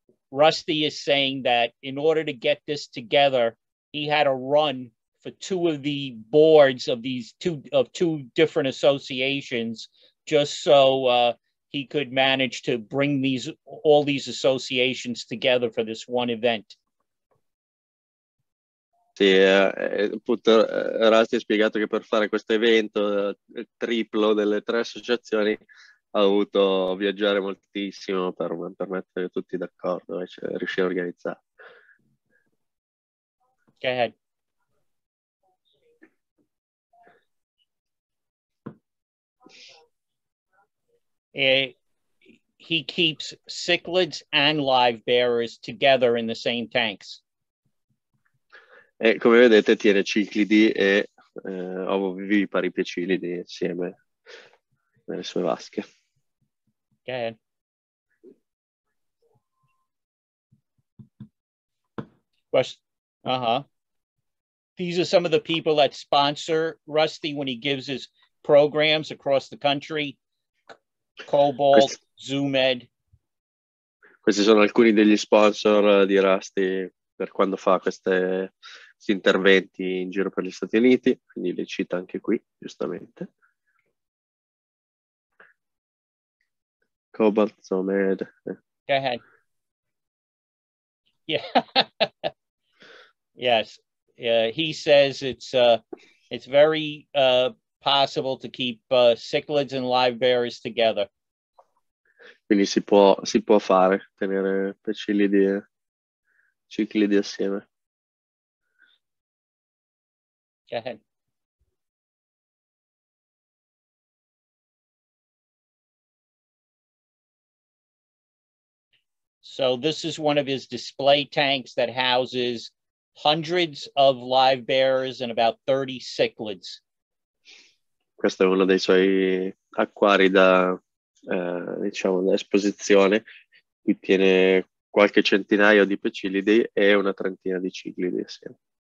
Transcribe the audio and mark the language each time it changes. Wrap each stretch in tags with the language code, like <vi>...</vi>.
<en>Rusty is saying that in order to get this together, he had a run for two of the boards of two different associations, just so he could manage to bring all these associations together for this one event.</en> <it>Sì, appunto Rusty ha spiegato che per fare questo evento triplo delle tre associazioni ha dovuto viaggiare moltissimo per mettere tutti d'accordo e cioè, riuscire a organizzare.</it> <en>Go ahead. He keeps cichlids and live bearers together in the same tanks.</en> <it>E come vedete tiene ciclidi e ovovivipari piccilidi insieme nelle sue vasche.</it> <en>Go ahead. These are some of the people that sponsor Rusty when he gives his programs across the country. Cobalt, Zoomed.</en> <it>Questi sono alcuni degli sponsor di Rusty per quando fa questi interventi in giro per gli Stati Uniti, quindi le cita anche qui, giustamente. Cobalt, Zomed.</it> <en>Go ahead. Yeah. Yes. He says it's very possible to keep cichlids and live bearers together.</en> <it>Quindi si può fare, tenere pecilidi e ciclidi assieme.</it> <en>Go ahead. So this is one of his display tanks that houses hundreds of live bearers and about 30 cichlids.</en> <it>Questo è uno dei suoi acquari da diciamo da esposizione. Qui tiene qualche centinaio di pecilidi e una trentina di ciclidi assieme.</it>